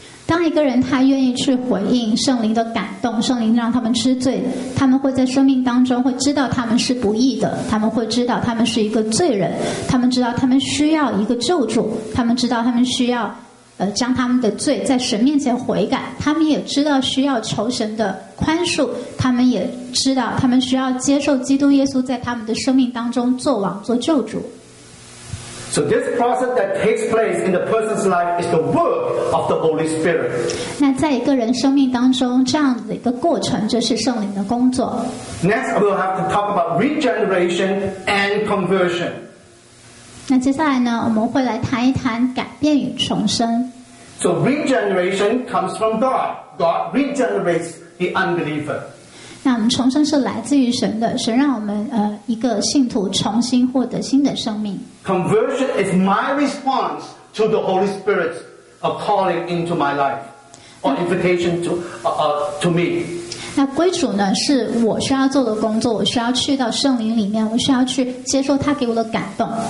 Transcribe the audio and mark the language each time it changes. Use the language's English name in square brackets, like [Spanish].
[Chinese] 当一个人他愿意去回应圣灵的感动，圣灵让他们知罪，他们会在生命当中会知道他们是不义的，他们会知道他们是一个罪人，他们知道他们需要一个救主，他们知道他们需要将他们的罪在神面前悔改，他们也知道需要求神的宽恕，他们也知道他们需要接受基督耶稣在他们的生命当中做王做救主。 [English] So this process that takes place in the person's life is the work of the Holy Spirit. [Chinese] 那在一个人生命当中，这样子一个过程就是圣灵的工作。 [English] Next, we'll have to talk about regeneration and conversion. [Chinese] 那接下来呢，我们会来谈一谈改变与重生。 [English] So regeneration comes from God. God regenerates the unbeliever. [Chinese] 那我们重生是来自于神的，神让我们一个信徒重新获得新的生命。 [English] Conversion is my response to the Holy Spirit's a calling into my life or invitation to me. [Chinese] 那归主呢，是我需要做的工作，我需要去到圣灵里面，我需要去接受他给我的感动。